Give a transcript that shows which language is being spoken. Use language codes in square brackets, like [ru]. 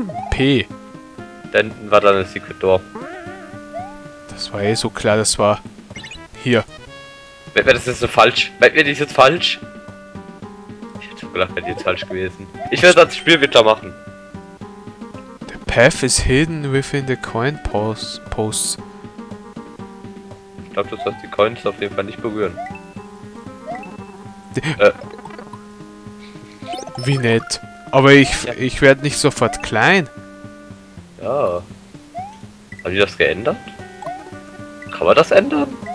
[de] P. Dann war da eine Secret Door. Das war eh so klar, das war. Hier. Wäre das jetzt so falsch? Wäre das jetzt falsch? Ich hätte schon gedacht, wäre das jetzt falsch gewesen. Ich werde das Spiel wieder machen. [en] The path is hidden within the coin posts. [de] Ich glaube, du sollst die Coins auf jeden Fall nicht berühren. Wie nett. Aber ich werde nicht sofort klein. Ja. Haben die das geändert? Kann man das ändern?